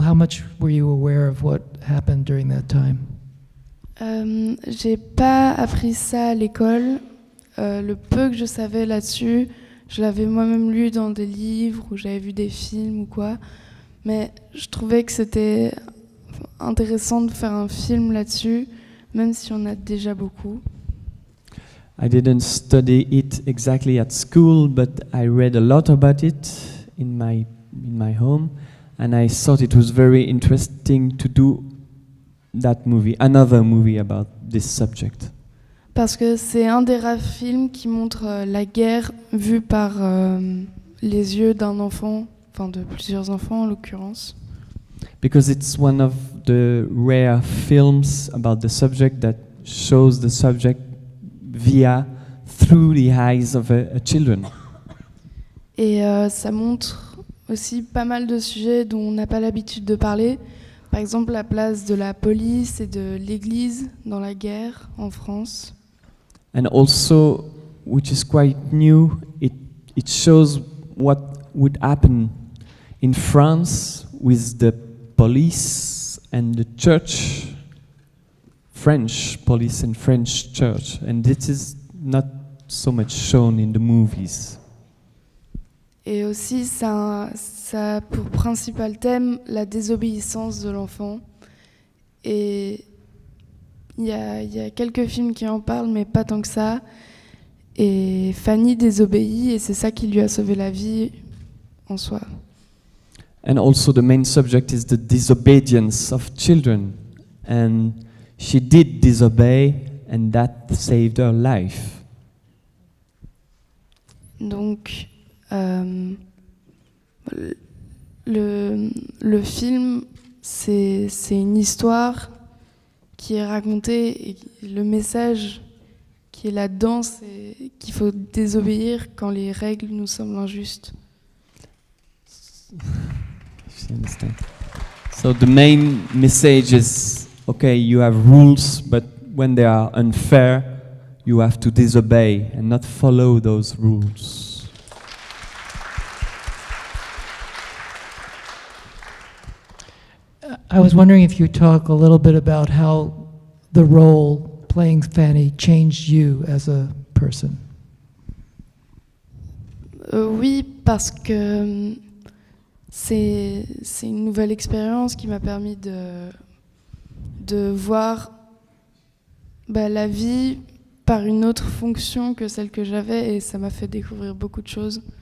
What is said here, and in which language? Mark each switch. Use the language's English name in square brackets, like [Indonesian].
[English] How much were you aware of what happened during that time? [French] J'ai pas appris ça à l'école. Le peu que je savais là-dessus, je l'avais moi-même lu dans des livres ou j'avais vu des films ou quoi. Mais je trouvais que c'était intéressant de faire un film là-dessus, même si on a déjà beaucoup. [English] I didn't study it exactly at school, but I read a lot about it in my home, and I thought it was very interesting to do that movie, another movie about this subject. [French] Parce que c'est un des rares films qui montre la guerre vue par les yeux d'un enfant, enfin de plusieurs enfants en l'occurrence. [English] Because it's one of the rare films about the subject that shows the subject via, through the eyes of a children. [French] Et ça montre aussi pas mal de sujets dont on n'a pas l'habitude de parler. Par exemple, la place de la police et de l'église dans la guerre en France. [English] And also, which is quite new, it shows what would happen in France with the police and the church, French police and French church. And this is not so much shown in the movies. [French] Et aussi, ça a pour principal thème la désobéissance de l'enfant. Et il y a quelques films qui en parlent, mais pas tant que ça. Et Fanny désobéit, et c'est ça qui lui a sauvé la vie en soi. [English] And also the main subject is the disobedience of children. And she did disobey, and that saved her life. [French] Donc, le film, c'est une histoire qui est racontée, et le message qui est là-dedans, c'est qu'il faut désobéir quand les règles nous semblent injustes. [English] Understand. So the main message is, okay, you have rules, but when they are unfair, you have to disobey and not follow those rules. I was wondering if you talk a little bit about how the role playing Fanny changed you as a person. [French] Oui, parce que c'est une nouvelle expérience qui m'a permis de voir la vie par une autre fonction que celle que j'avais, et ça m'a fait découvrir beaucoup de choses.